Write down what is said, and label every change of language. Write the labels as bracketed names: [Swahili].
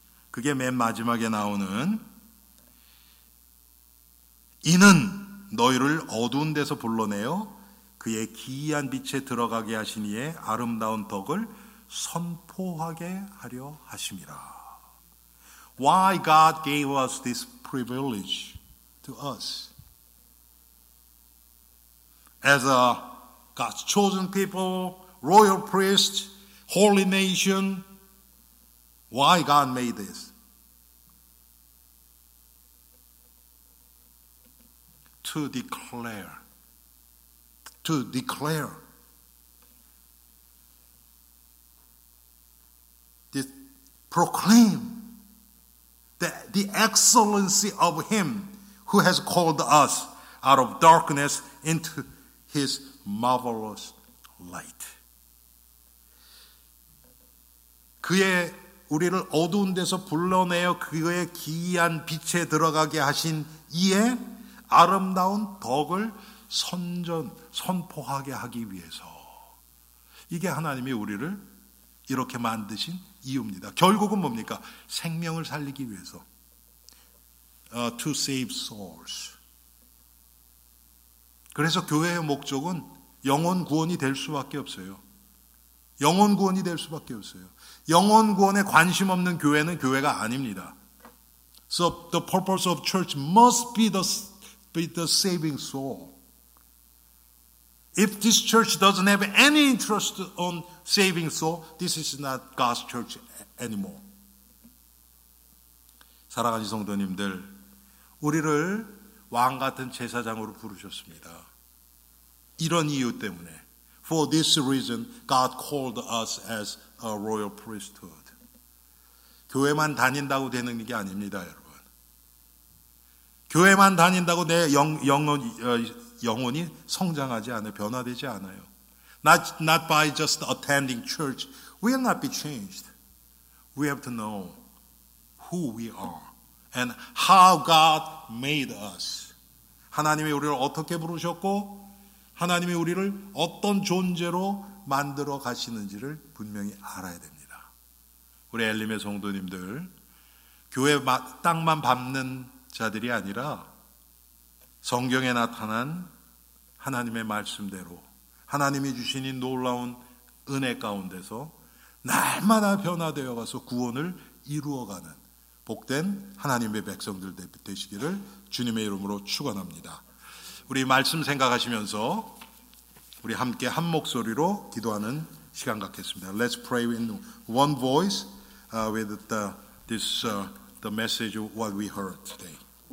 [Korean] 그게 맨 마지막에 나오는 이는 너희를 어두운 데서 불러내어 그의 기이한 빛에 들어가게 하신 이의 아름다운 덕을 선포하게 하려 하심이라. [English] Why God gave us this privilege to us? As a God's chosen people, royal priest, holy nation, why God made this? To declare this, proclaim the excellency of him who has called us out of darkness into his marvelous light. [Korean] 그의 우리를 어두운 데서 불러내어 그의 기이한 빛에 들어가게 하신 이에 아름다운 덕을 선포하게 하기 위해서. 이게 하나님이 우리를 이렇게 만드신 이유입니다. 결국은 뭡니까? 생명을 살리기 위해서. [English] To save souls. [Korean] 그래서 교회의 목적은 영혼 구원이 될 수밖에 없어요. 영혼 구원이 될 수밖에 없어요. 영혼 구원에 관심 없는 교회는 교회가 아닙니다. [English] So the purpose of church must be the saving soul. If this church doesn't have any interest on saving soul, this is not God's church anymore. [Korean] 사랑하는 성도님들, 우리를 왕 같은 제사장으로 부르셨습니다. 이런 이유 때문에. For this reason, God called us as a royal priesthood. 교회만 다닌다고 되는 게 아닙니다, 여러분. 교회만 다닌다고 내 영혼이 성장하지 않아요. 변화되지 않아요. [English] Not by just attending church. We will not be changed. We have to know who we are and how God made us. [Korean] 하나님이 우리를 어떻게 부르셨고 하나님이 우리를 어떤 존재로 만들어 가시는지를 분명히 알아야 됩니다. 우리 엘림의 성도님들, 교회 땅만 밟는 자들이 아니라 성경에 나타난 하나님의 말씀대로 하나님이 주신 이 놀라운 은혜 가운데서 날마다 변화되어 가서 구원을 이루어가는 복된 하나님의 백성들 되시기를 주님의 이름으로 축원합니다. 우리 말씀 생각하시면서 우리 함께 한 목소리로 기도하는 시간 갖겠습니다. [English] Let's pray in one voice with the message of what we heard today.